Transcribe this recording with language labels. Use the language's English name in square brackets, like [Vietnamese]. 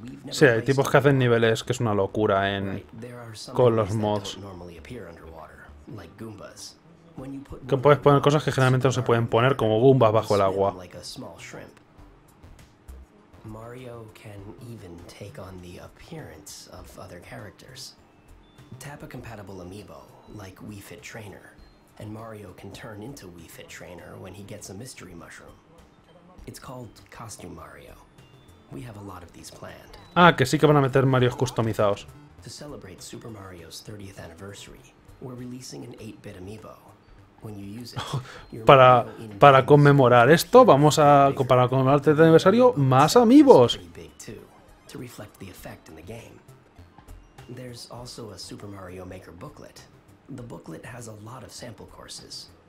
[Spanish] Sí, hay tipos que hacen niveles que es una locura en con los mods. Que puedes poner cosas que generalmente no se pueden poner, como Goombas bajo el agua. [English] Mario can even take on the appearance of other characters. Tap a compatible amiibo, like Wii Fit Trainer, and Mario can turn into Wii Fit Trainer when he gets a mystery mushroom. It's called Costume Mario. We have a lot of these planned. [Spanish] Ah, que sí que van a meter Marios customizados. [English] To celebrate Super Mario's 30th anniversary, we're releasing an 8-bit amiibo. When you use it, [Spanish] para conmemorar esto, vamos a para conmemorar el 30 aniversario más amiibos. [English] To reflect the effect in the game. There's also a Super Mario Maker booklet The booklet has a lot of sample courses.